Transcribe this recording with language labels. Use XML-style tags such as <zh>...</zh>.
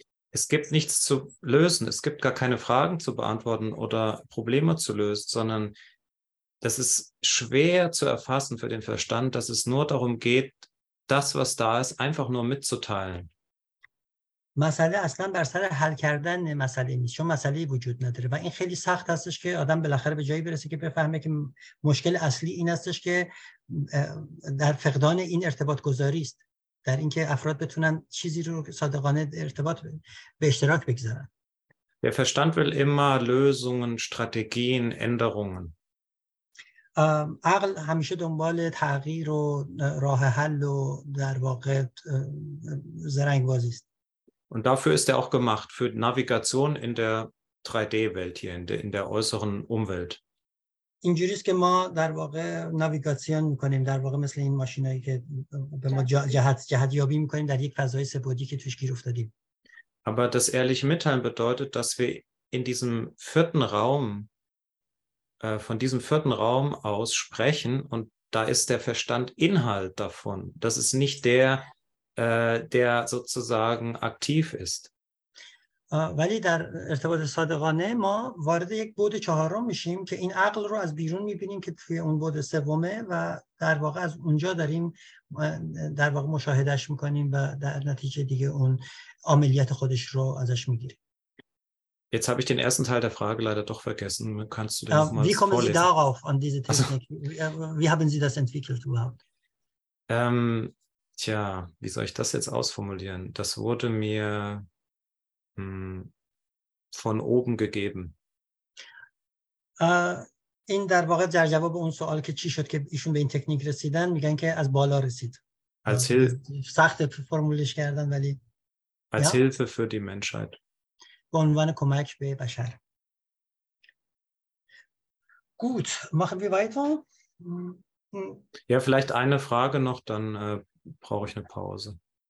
<de>Es gibt nichts zu lösen, es gibt gar keine Fragen zu beantworten oder Probleme zu lösen, sondern das ist schwer zu erfassen für den Verstand, dass es nur darum geht, das, was da ist, einfach nur mitzuteilen.</de> <fa>مسئله اصلا بر سر حل کردن مسئله نیست، چون مسئله وجود نداره، و این خیلی سخت هستش که آدم بالاخره به جایی برسه که بفهمه که مشکل اصلی این هستش که در فقدان این ارتباط گذاری است، در اینکه افراد بتونن چیزی رو صادقانه ارتباط به اشتراک بگذارن.</fa> <de>Der Verstand will immer Lösungen, Strategien, Änderungen.</de> <fa>عقل همیشه دنبال تغییر و راه حل و در واقع زرنگبازی است.</fa> <de>Und dafür ist er auch gemacht, für Navigation in der 3D-Welt hier, in der äußeren Umwelt.</de> <fa>اینجوریست که ما در واقع ناویگاسیون میکنیم، در واقع مثل این ماشینایی که به ما جهت یابی میکنیم در یک فضای سه‌بعدی که توش گیر افتادیم.</fa> <de>Aber das ehrliche Mitteilen bedeutet, dass wir in diesem vierten Raum, von diesem vierten Raum aus sprechen und da ist der Verstand Inhalt davon. Das ist nicht der, der sozusagen aktiv ist.</de> <fa>ولی در ارتباط صادقانه ما وارد یک بُعد چهارم میشیم که این عقل رو از بیرون میبینیم که توی اون بُعد سومه و در واقع از اونجا داریم در واقع مشاهدهش میکنیم و در نتیجه دیگه اون عملیات خودش رو ازش میگیریم.</fa> <de>Jetzt habe ich den ersten Teil der Frage leider doch vergessen. Kannst du das nochmal vorlesen? Wie kommen Sie darauf an diese Technik? Wie haben Sie das entwickelt überhaupt? Tja, wie soll ich das jetzt ausformulieren? Das wurde mir von oben gegeben. In der</de> <fa>واقع در جواب اون سوال که چی شد که ایشون به این تکنیک رسیدن میگن که از بالا رسید.</fa> <de>Als</de> <fa>سخت فرمولش کردن ولی</fa> <de>Als Hilfe für die Menschheit.</de> <fa>به عنوان کمک به بشر.</fa> <de>Gut, machen wir weiter? Ja, vielleicht eine Frage noch, dann brauche ich eine Pause.</de>